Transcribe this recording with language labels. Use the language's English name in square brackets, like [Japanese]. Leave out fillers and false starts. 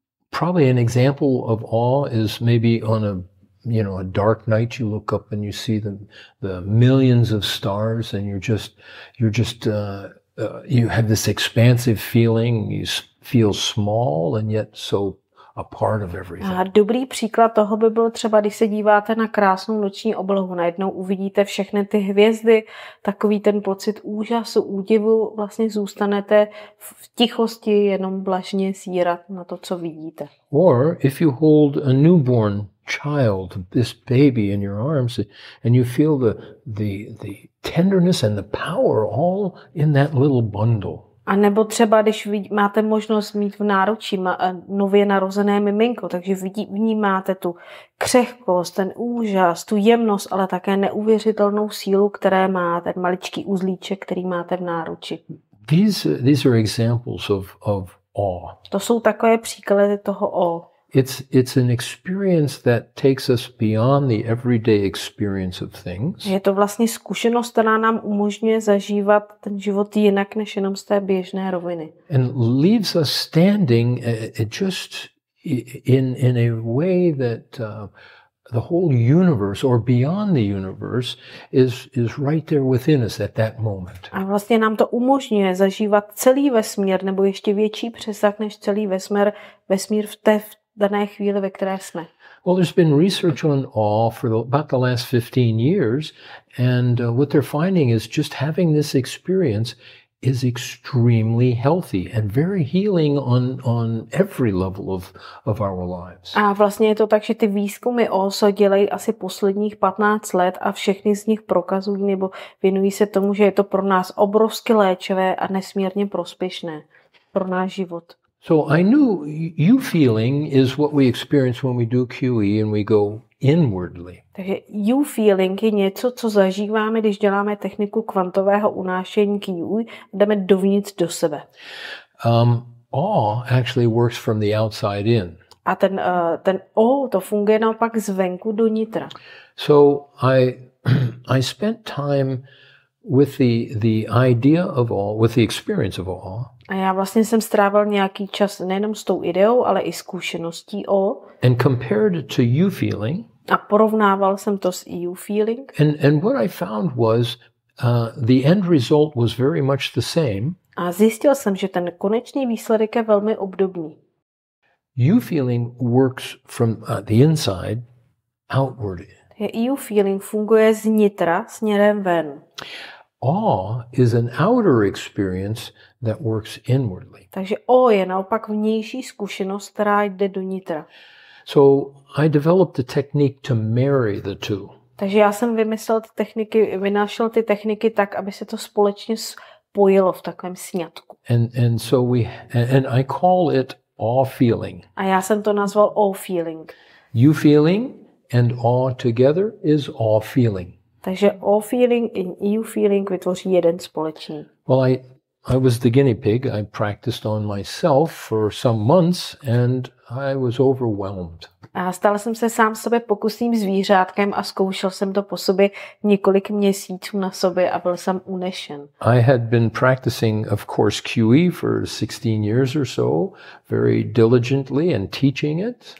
[English] Probably an example of awe is maybe on a, you know, a dark night, you look up and you see the millions of stars, and you have this expansive feeling. You feel small and yet so a part of everything. [Czech] A dobrý příklad toho by byl třeba, když se díváte na krásnou noční oblohu, najednou uvidíte všechny ty hvězdy, takový ten pocit úžasu, údivu, vlastně zůstanete v tichosti, jenom blažně zírat na to, co vidíte. [English] Or if you hold a newborn child, this baby in your arms, and you feel the tenderness and the power all in that little bundle. [Czech] A nebo třeba, když máte možnost mít v náručí nově narozené miminko, takže vnímáte tu křehkost, ten úžas, tu jemnost, ale také neuvěřitelnou sílu, které má ten maličký uzlíček, který máte v náruči. [English] These are examples of awe. [Czech] To jsou takové příklady toho awe. [English] It's an experience that takes us beyond the everyday experience of things. [Czech] Je to vlastně zkušenost, která nám umožňuje zažívat ten život jinak než jenom z té běžné roviny. [English] And leaves us standing just in a way that the whole universe or beyond the universe is right there within us at that moment. [Czech] A vlastně nám to umožňuje zažívat celý vesmír nebo ještě větší přesah než celý vesmír v dané chvíli, ve které jsme. [English] Well, there's been research on awe for about the last 15 years, and what they're finding is just having this experience is extremely healthy and very healing on every level of our lives. [Czech] A vlastně je to tak, že ty výzkumy OSO dělají asi posledních 15 let a všechny z nich prokazují nebo věnují se tomu, že je to pro nás obrovsky léčivé a nesmírně prospěšné pro náš život. [English] So I knew you feeling is what we experience when we do QE and we go inwardly. [Czech] Takže you feeling je něco, co zažíváme, když děláme techniku kvantového unášení QE, jdeme dovnitř do sebe. [English] Awe actually works from the outside in. [Czech] A ten awe to funguje naopak zvenku do nitra. [English] So I spent time with the idea of awe, with the experience of awe. [Czech] A já vlastně jsem strávil nějaký čas nejenom s tou ideou, ale i zkušeností o. [English] And compared it to you feeling. [Czech] A porovnával jsem to s you feeling. [English] And what I found was the end result was very much the same. [Czech] A zjistil jsem, že ten konečný výsledek je velmi obdobný. [English] You feeling works from the inside outward. [Czech] You feeling funguje znitra směrem ven. [English] Awe is an outer experience that works inwardly. [Czech] Takže o je naopak vnější zkušenost, která jde do nitra. [English] So I developed a technique to marry the two. [Czech] Takže já jsem vynášel ty techniky tak, aby se to společně spojilo v takovém sňatku. [English] And I call it awe feeling. [Czech] A já jsem to nazval awe feeling. [English] You feeling and awe together is awe feeling. [Czech] Takže [English] awe feeling and you feeling [Czech] vytvoří jeden společný. [English] Well, I was the guinea pig. I practiced on myself for some months and I was overwhelmed. [Czech] A stal jsem se sám sobě pokusným zvířátkem a zkoušel jsem to po sobě několik měsíců na sobě a byl jsem unešen. [English] I had been practicing, of course, QE for 16 years or so, very diligently and teaching it.